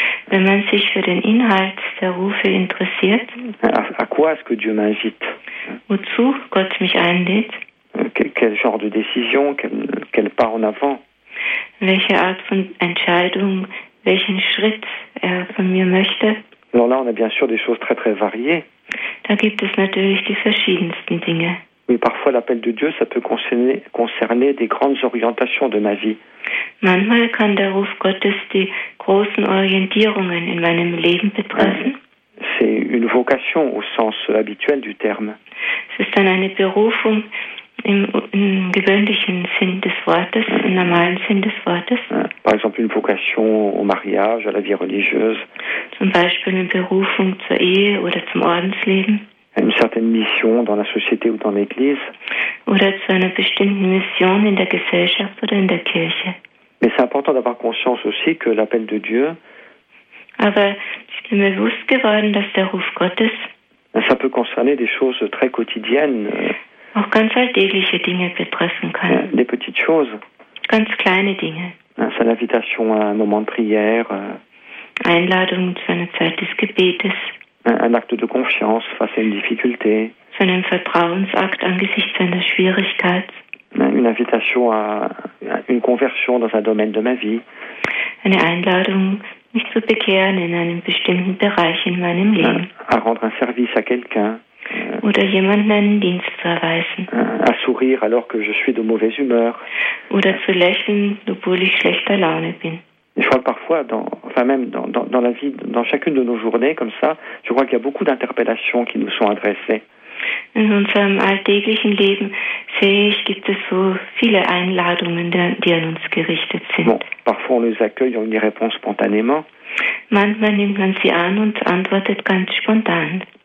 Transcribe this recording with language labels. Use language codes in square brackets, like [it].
[de] wenn man sich für den Inhalt der Rufe interessiert, [fr] à quoi est-ce que Dieu m'invite? [de] Wozu Gott mich einlädt? [fr] Quel genre de décision, quel pas en avant? [de] welche Art von Entscheidung, welchen Schritt er von mir möchte. [fr] Alors là, on a bien sûr des choses très très variées. [de] Da gibt es natürlich die verschiedensten Dinge. [fr] Oui, parfois l'appel de Dieu, ça peut concerner des grandes orientations de ma vie. [de] Manchmal kann der Ruf Gottes die großen Orientierungen in meinem Leben betreffen. [fr] C'est une vocation au sens habituel du terme. C'est [de] dann eine Berufung im gewöhnlichen Sinn des Wortes, im normalen Sinn des Wortes. [fr] Par exemple, une vocation au mariage, à la vie religieuse. [de] Zum Beispiel eine Berufung zur Ehe oder zum Ordensleben. [fr] Une certaine mission dans la société ou dans l'Église. [de] Oder zu einer bestimmten Mission in der Gesellschaft oder in der Kirche. [fr] Mais c'est important d'avoir conscience aussi que l'appel de Dieu. [de] Aber ich bin mir bewusst geworden, dass der Ruf Gottes. [fr] Ça peut concerner des choses très quotidiennes. [de] Auch ganz alltägliche Dinge betreffen kann. [fr] Des petites choses. [de] Ganz kleine Dinge. [fr] C'est une invitation à un moment de prière. [de] Einladung zu einer Zeit des Gebetes. [fr] Un acte de confiance face à une difficulté. [de] So einen Vertrauensakt angesichts einer Schwierigkeit. [fr] Une invitation à une conversion dans un domaine de ma vie. [de] Eine Einladung, mich zu bekehren in einem bestimmten Bereich in meinem Leben. [fr] À rendre un service à quelqu'un. [de] Oder jemandem einen Dienst zu erweisen. [fr] À sourire alors que je suis de mauvaise humeur. [de] Oder zu lächeln, obwohl ich schlechter Laune bin. [fr] Je crois que parfois, dans la vie, dans chacune de nos journées, comme ça, je crois qu'il y a beaucoup d'interpellations qui nous sont adressées. [de] In unserem alltäglichen Leben sehe ich, gibt es so viele Einladungen, die an uns gerichtet sind. [fr] Bon, parfois on les accueille, on y répond spontanément. [de] Manchmal nimmt man sie an und antwortet ganz spontan.